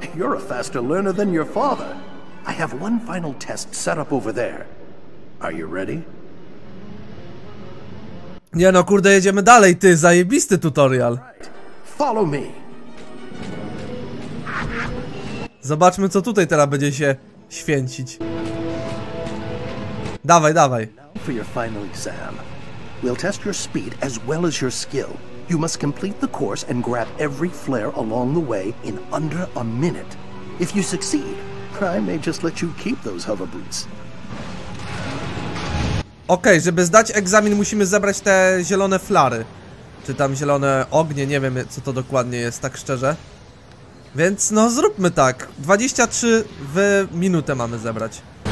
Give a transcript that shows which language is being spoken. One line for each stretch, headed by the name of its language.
English: You're a faster learner than your father. I have one final test set up over there. Are you ready?
Polish: Nie no, kurde, jedziemy dalej, ty, zajebisty tutorial.
English: Follow me.
Polish: Zobaczmy, co tutaj teraz będzie się święcić. Dawaj, dawaj.
English: Now for your final exam. We'll test your speed as well as your skill. You must complete the course and grab every flare along the way in under a minute. If you succeed, I may just let you keep those hover boots.
Polish: Okej, żeby zdać egzamin, musimy zebrać te zielone flary. Czy tam zielone ognie, nie wiem co to dokładnie jest, tak szczerze. Więc no zróbmy tak. 23 w minutę mamy zebrać.